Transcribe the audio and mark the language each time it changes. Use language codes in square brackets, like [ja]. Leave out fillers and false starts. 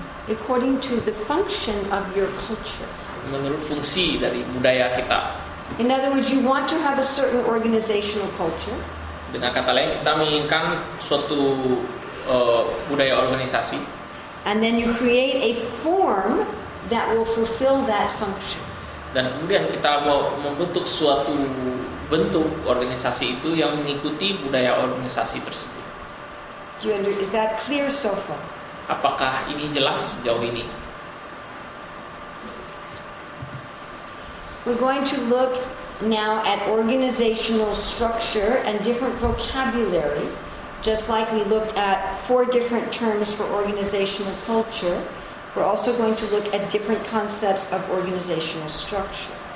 [en] according to the function of your culture. [id] Menurut fungsi dari budaya kita. [en] In other words, you want to have a certain organizational culture. [id] Dengan kata lain, kita menginginkan suatu budaya organisasi. [en] And then you create a form that will fulfill that function. [id] Dan kemudian kita membentuk suatu bentuk organisasi itu yang mengikuti budaya organisasi tersebut. [en] Is that clear so far? [id] Apakah ini jelas sejauh ini? [en] We're going to look now at organizational structure and different vocabulary, just like we looked at four different terms for organizational culture. We're also going to look at different concepts of organizational structure.